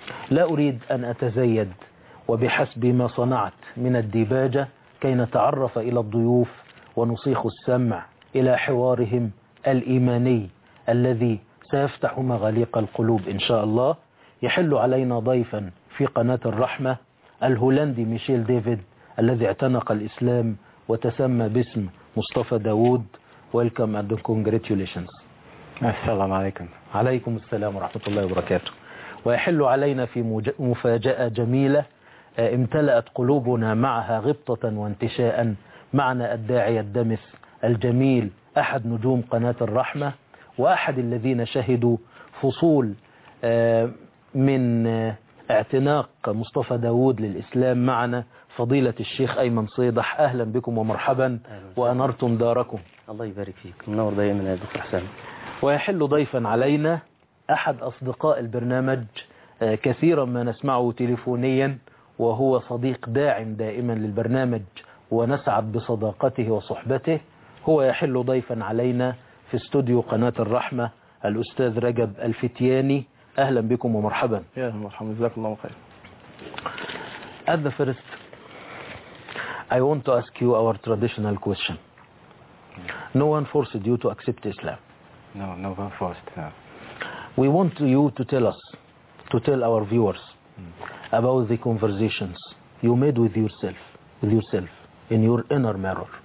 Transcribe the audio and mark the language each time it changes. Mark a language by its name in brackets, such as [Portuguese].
[Arabic] لا أريد أن أتزيد، وبحسب ما صنعت من الديباجة كي نتعرف إلى الضيوف ونصيخ السمع إلى حوارهم الإيماني الذي سيفتح مغاليق القلوب إن شاء الله. يحل علينا ضيفا في قناة الرحمة الهولندي ميشيل ديفيد الذي اعتنق الإسلام وتسمى باسم مصطفى داود. [English] Welcome and congratulations. [Arabic] السلام عليكم. عليكم السلام ورحمة الله وبركاته. ويحل علينا في مفاجأة جميلة امتلأت قلوبنا معها غبطة وانتشاء، معنا الداعية الدمث الجميل أحد نجوم قناة الرحمة وأحد الذين شهدوا فصول من اعتناق مصطفى داود للإسلام معنا، فضيلة الشيخ أيمن صيدح. أهلا بكم ومرحبا وأنرتم داركم. الله يبارك فيك، منور دائما يا دكتور حسام. ويحل ضيفا علينا أحد أصدقاء البرنامج كثيرا ما نسمعه تليفونيا، وهو صديق داعم دائما للبرنامج ونسعد بصداقته وصحبته. هو يحل ضيفا علينا في استوديو قناة الرحمة الأستاذ رجب الفتياني. أهلا بكم ومرحبا. يا أهلا ومرحبا، جزاك الله خير. [English] At the first I want to ask you our traditional question. No one forced you to accept Islam. No, no one forced. We want you to tell us, to tell our viewers about the conversations you made with yourself in your inner mirror.